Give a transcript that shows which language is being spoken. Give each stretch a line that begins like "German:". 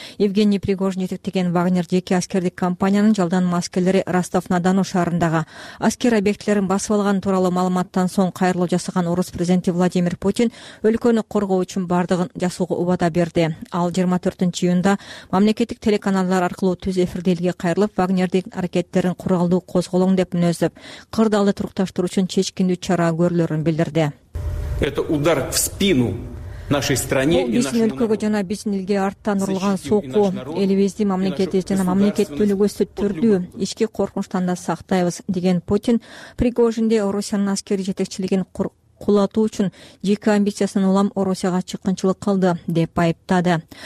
Kyrgyz: Евгений Пригожин жетектеген Вагнер жеке аскердик компаниянын жалдан маскелери Ростов-на-Дону шаарындагы аскер объектилерин басып алганы тууралуу маалыматтан соң кайрылуу жасаган орус президенти Владимир Путин өлкөнү коргоо үчүн бардыгын жасоого убада берди. Ал 24-июнда мамлекеттик телеканалдар аркылуу түз эфирде элге кайрылып, Вагнер аракеттерин куралдуу козголоң деп мүнөздөп, кырдаалды турукташтыруу үчүн чечкиндүү чара көрүлөрүн билдирди.
Russian: Это удар в спину нашей стране и нашему народу.
Kyrgyz: Өлкөгө жана биздин элге арттан урулган сокку, элибизди, мамлекетибизди жана мамлекеттүүлүгүбүздү түрдүү ички коркунучтан да сактайбыз деген Путин Пригожинде Орусиянын аскерий жетекчилигин кулатуу үчүн жеке амбициясынан улам Орусияга чыккынчылык кылды деп айыптады.